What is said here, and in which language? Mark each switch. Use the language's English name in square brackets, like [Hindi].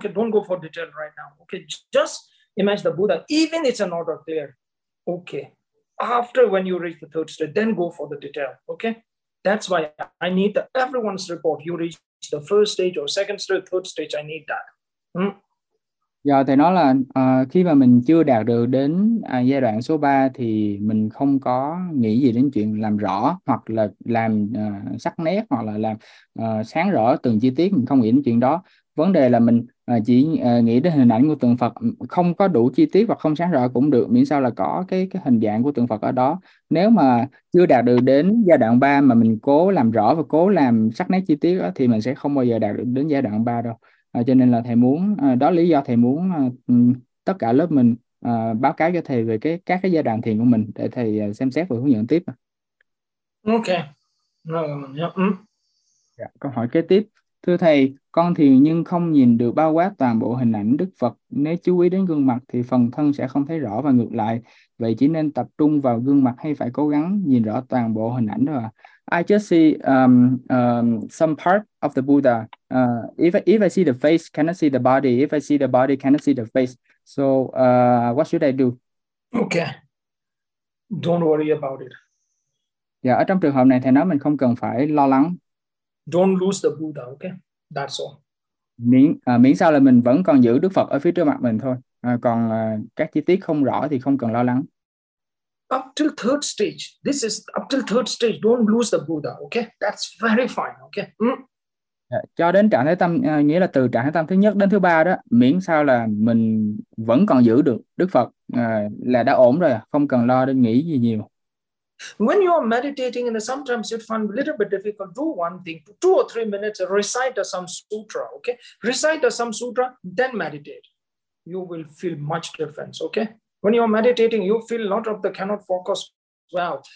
[English] Don't go for detail right now. Just imagine the Buddha, even if it's not clear. After when you reach the third stage, then go for the detail. That's why I need everyone's report. You reach the first stage or second stage, third stage. I need that. [Vietnamese] Do thầy nói là khi mà mình chưa đạt được đến giai đoạn số 3 thì mình không có nghĩ gì đến chuyện làm rõ hoặc là làm sắc nét hoặc là làm sáng rõ từng chi tiết, mình không nghĩ đến chuyện đó. Vấn đề là mình chỉ nghĩ đến hình ảnh của tượng Phật, không có đủ chi tiết và không sáng rõ cũng được, miễn sao là có cái hình dạng của tượng Phật ở đó. Nếu mà chưa đạt được đến giai đoạn 3 mà mình cố làm rõ và cố làm sắc nét chi tiết đó, thì mình sẽ không bao giờ đạt được đến giai đoạn 3 đâu. Cho nên là thầy muốn đó lý do thầy muốn tất cả lớp mình báo cáo cho thầy về các giai đoạn thiền của mình để thầy xem xét và hướng dẫn tiếp. Ok. Rồi, Dạ, câu hỏi kế tiếp. Thưa thầy, con thiền nhưng không nhìn được bao quát toàn bộ hình ảnh Đức Phật. Nếu chú ý đến gương mặt thì phần thân sẽ không thấy rõ và ngược lại. Vậy chỉ nên tập trung vào gương mặt hay phải cố gắng nhìn rõ toàn bộ hình ảnh thôi ạ? [English] I just see some part of the Buddha. If I see the face, cannot see the body. If I see the body, cannot see the face. So, what should I do? Okay. Don't worry about it. [Vietnamese] Dạ, ở trong trường hợp này thầy nói mình không cần phải lo lắng. [English] Don't lose the Buddha, okay? That's all. [Vietnamese] Miễn sao là mình vẫn còn giữ Đức Phật ở phía trước mặt mình thôi. Còn các chi tiết không rõ thì không cần lo lắng. [English] Up till third stage. This is up till third stage. Don't lose the Buddha, okay? That's very fine, okay? [Vietnamese] Cho đến trạng thái tâm, nghĩa là từ trạng thái tâm thứ nhất đến thứ ba đó, miễn sao là mình vẫn còn giữ được Đức Phật là đã ổn rồi, không cần lo đến nghĩ gì nhiều. [English] When you are meditating and sometimes you find a little bit difficult, do one thing, 2 or 3 minutes, recite some sutra, okay? Recite some sutra, then meditate. You will feel much difference, okay? When you are meditating, you feel a lot of the cannot focus well.